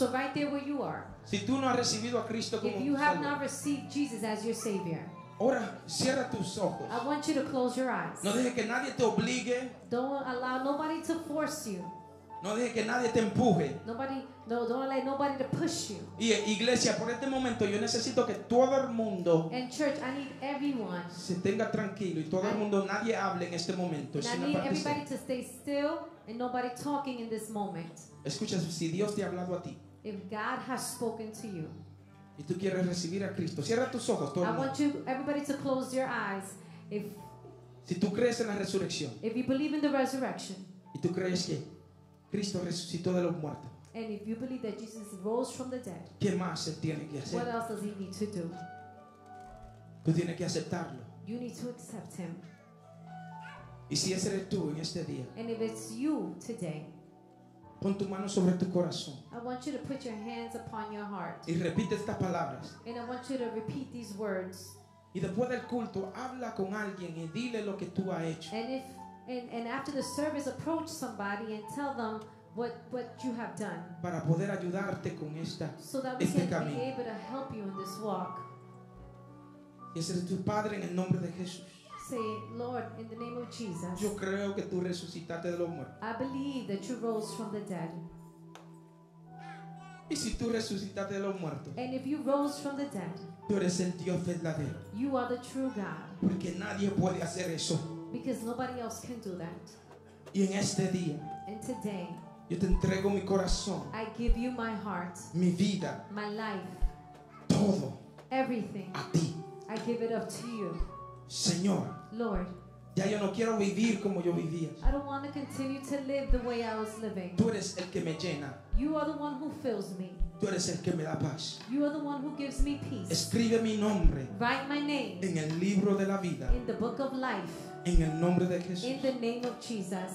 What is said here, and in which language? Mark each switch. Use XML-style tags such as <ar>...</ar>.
<en>So right there where you are.</en> <es>Si tú no has recibido a Cristo como tu Salvador.</es> <en>If you have not received Jesus as your Savior.</en> <es>Ahora cierra tus ojos.</es> <en>I want you to close your eyes.</en> <es>No deje que nadie te obligue.</es> <en>Don't allow nobody to force you.</en> <es>No deje que nadie te empuje.</es> <en>Nobody, no, don't allow nobody to push you.</en> <es>Y iglesia, por este momento yo necesito que todo el mundo.</es> <en>And church, I need everyone.</en> <es>Se tenga tranquilo y todo el mundo, nadie hable en este momento.</es> <en>I need everybody to stay still and nobody talking in this moment.</en> <es>Escucha, si Dios te ha hablado a ti.</es> <en>If God has spoken to you.</en> <es>Y tú quieres recibir a Cristo. Cierra tus ojos, todo el mundo.</es> <en>I want you, everybody, to close your eyes. If,</en> <es>si tú crees en la resurrección.</es> <en>If you believe in the resurrection.</en> <es>Y tú crees que Cristo resucitó de los muertos.</es> <en>And if you believe that Jesus rose from the dead.</en> <es>¿Qué más él tiene que hacer?</es> <en>What else does he need to do?</en> <es>Tú tienes que aceptarlo.</es> <en>You need to accept him.</en> <es>Y si ese eres tú en este día.</es> <en>And if it's you today.</en> <es>Pon tu mano sobre tu corazón.</es> <en>I want you to put your hands upon your heart.</en> <es>Y repite estas palabras.</es> <en>And I want you to repeat these words.</en> <es>Y después del culto, habla con alguien y dile lo que tú has hecho.</es> <en>And if and after the service, approach somebody and tell them what you have done.</en> <es>Para poder ayudarte con esta</es> <en>so that we</en> <es>este</es> <en>can</en> <es>camino.</es> <en>Be able to help you in this walk.</en> <es>Y ese es tu Padre en el nombre de Jesús.</es> <en>Say, Lord, in the name of Jesus.</en> <es>Yo creo que tú resucitaste de los muertos.</es> <en>I believe that you rose from the dead.</en> <es>Y si tú resucitaste de los muertos.</es> <en>And if you rose from the dead.</en> <es>Tú eres el Dios verdadero.</es> <en>You are the true God.</en> <es>Porque nadie puede hacer eso.</es> <en>Because nobody else can do that.</en> <es>Y en este día.</es> <en>And today.</en> <es>Yo te entrego mi corazón.</es> <en>I give you my heart.</en> <es>Mi vida.</es> <en>My life.</en> <es>Todo.</es> <en>Everything.</en> <es>A ti.</es> <en>I give it up to you.</en> <es>Señor,</es> <en>Lord,</en> <es>Ya yo no quiero vivir como yo vivía.</es> <en>I don't want to continue to live the way I was living.</en> <es>Tú eres el que me llena.</es> <en>You are the one who fills me.</en> <es>Tú eres el que me da paz.</es> <en>You are the one who gives me peace.</en> <es>Escribe mi nombre.</es> <en>Write my name.</en> <es>En el libro de la vida.</es> <en>In the book of life.</en> <es>En el nombre de Jesús.</es> <en>In the name of Jesus.</en>